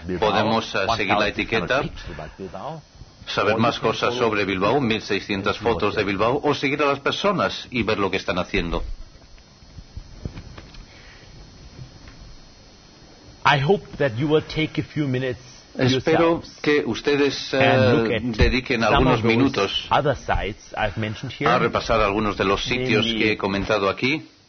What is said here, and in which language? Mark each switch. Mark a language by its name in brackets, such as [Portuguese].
[Spanish] Podemos seguir la etiqueta, saber más cosas sobre Bilbao, 1,600 fotos de Bilbao, o seguir a las personas y ver lo que están haciendo. [English] I hope that you will take a few minutes. [Spanish] Espero que ustedes dediquen algunos minutos a repasar algunos de los sitios que he comentado aquí.